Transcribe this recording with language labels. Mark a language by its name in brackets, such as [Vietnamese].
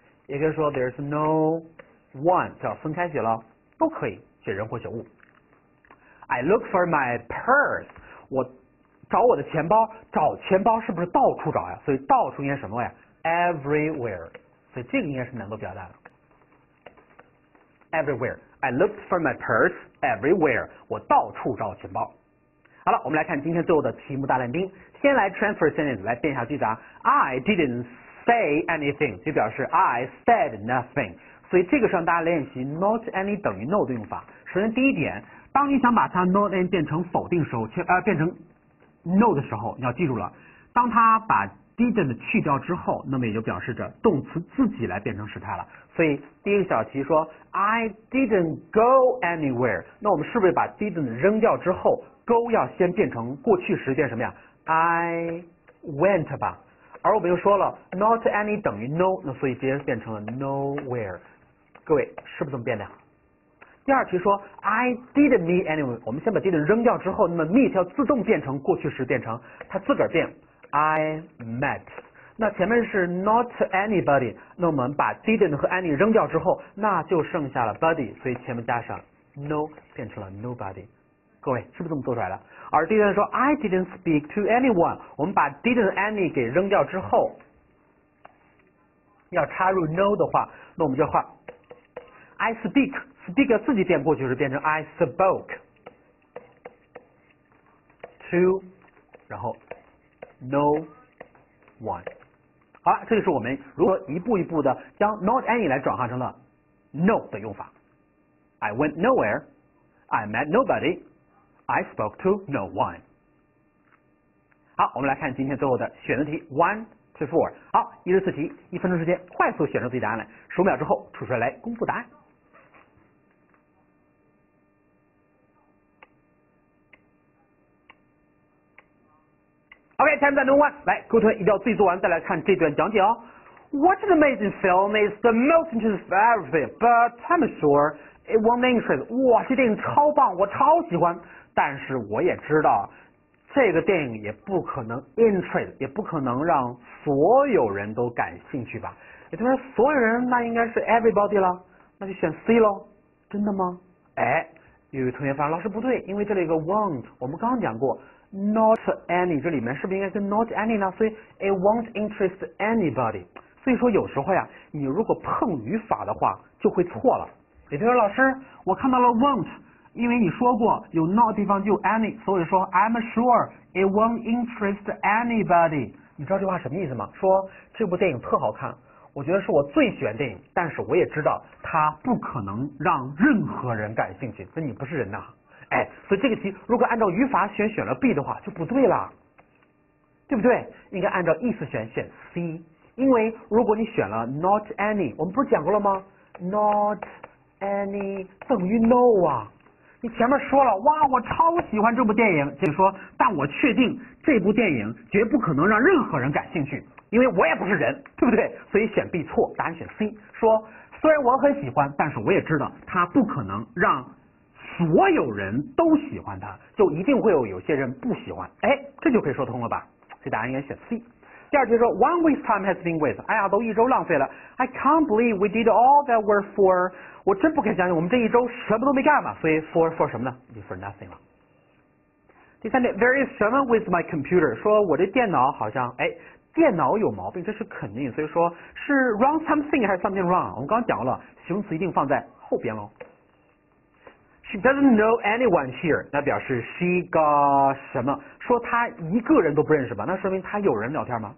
[Chinese] 也可以说 [English] there's no one， [Chinese] 叫分开写了，都可以，写人或写物。 [English] I look for my purse， [Chinese] 我找我的钱包，找钱包是不是到处找呀？所以到处应该什么呀？ Everywhere， 所以这个应该是能够表达的。 [English] everywhere. I looked for my purse everywhere. [Chinese] 我到处找钱包。好了，我们来看今天最后的题目大练兵。先来 transfer sentence 来变一下句子啊。 [English] I didn't say anything [Chinese] 就表示 [English] I said nothing。 [Chinese] 所以这个时候大家练习 not any 等于 no 的用法。首先第一点，当你想把它 not any 变成否定时候，变成 no 的时候，你要记住了，当它把 didn't 去掉之后，那么也就表示着动词自己来变成时态了。所以第一个小题说 [English] I didn't go anywhere， [Chinese] 那我们是不是把 didn't 扔掉之后 go 要先变成过去时，变什么呀？ [English] I went 吧。 [Chinese] 而我们又说了 not any 等于 no， 那所以直接变成了 nowhere。各位是不是这么变的？第二题说 [English] I didn't meet anyone， [Chinese] 我们先把 didn't 扔掉之后，那么 meet 要自动变成过去时，变成它自个儿变 I met。那前面是 not anybody， 那我们把 didn't 和 any 扔掉之后，那就剩下了 body， 所以前面加上 no 变成了 nobody。各位是不是这么做出来的？而 didn't 说 [English] I didn't speak to anyone， [Chinese] 我们把 didn't any 给扔掉之后，要插入 no 的话，那我们就画 I speak 自己变过去时，变成 I spoke to 然后 no one。好了，这就是我们如何一步一步的将 not any 来转化成了 no 的用法。 [English] I went nowhere， I met nobodyI spoke to no one。 [Chinese] 好，我们来看今天最后的选择题 1-4。好，一至四题，一分钟时间快速选择自己答案来，十五秒之后出出来来公布答案。 OK， time to move on， 来各位同学一定要自己做完再来看这段讲解哦。 [English] What an amazing film is the most interesting of everything， but I'm sure it won't interest。 [Chinese] 哇，这电影超棒，我超喜欢，但是我也知道这个电影也不可能 interest， 也不可能让所有人都感兴趣吧。也就是所有人那应该是 everybody 了，那就选 C 咯。真的吗？哎，有一同学发现老师不对，因为这里有个 won't， 我们刚刚讲过 not any， 这里面是不是应该跟 not any 呢？ [English] 所以 it won't interest anybody。 [Chinese] 所以说有时候呀，你如果碰语法的话就会错了。也就是老师我看到了 won't，因为你说过有 not 地方就有 any， 所以说 [English] I'm sure it won't interest anybody。 [Chinese] 你知道这话什么意思吗？说这部电影特好看，我觉得是我最喜欢电影，但是我也知道它不可能让任何人感兴趣。那你不是人呐。哎，所以这个题如果按照语法选了 B 的话就不对了，对不对？应该按照意思选 C。因为如果你选了 not any， 我们不是讲过了吗？ not any 等于 no 啊。你前面说了哇我超喜欢这部电影，就说但我确定这部电影绝不可能让任何人感兴趣，因为我也不是人，对不对？所以选 B 错，答案选 C。说虽然我很喜欢，但是我也知道它不可能让所有人都喜欢它，就一定会有些人不喜欢。哎，这就可以说通了吧，所以答案应该选 C。第二句说 [English] One week's time has been wasted， [Chinese] 哎呀都一周浪费了。 [English] I can't believe we did all that work for， [Chinese] 我真不敢相信我们这一周什么都没干嘛。所以 for 什么呢？for nothing 了。第三点， [English] there is something with my computer， [Chinese] 说我这电脑好像，哎，电脑有毛病，这是肯定。所以说是 wrong something 还是 something wrong， 我们刚刚讲了形容词一定放在后边咯。 [English] she doesn't know anyone here， [Chinese] 那表示 she got 什么，说她一个人都不认识吧，那说明她有人聊天吗？